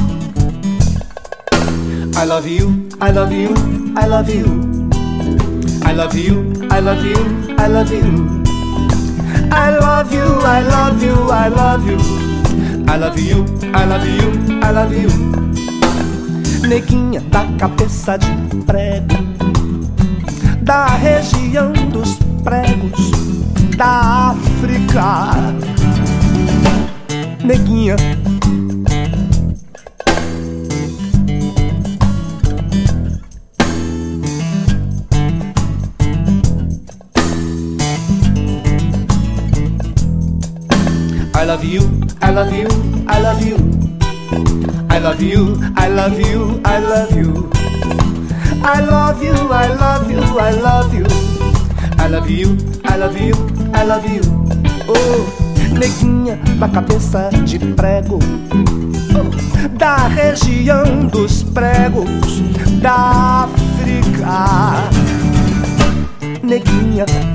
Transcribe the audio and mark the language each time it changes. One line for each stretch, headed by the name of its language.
English: love you, I love you, I love you. I love you, I love you, I love you. I love you, I love you, I love you. I love you, I love you, I love you.
Portuguese: Neguinha da cabeça de prego, da região dos pregos, da África. Neguinha.
English: I love you, I love you, I love you. I love you, I love you, I love you. I love you, I love you, I love you. I love you, I love you, I love you.
Portuguese: Oh, neguinha da cabeça de prego, da região dos pregos, da África. Neguinha.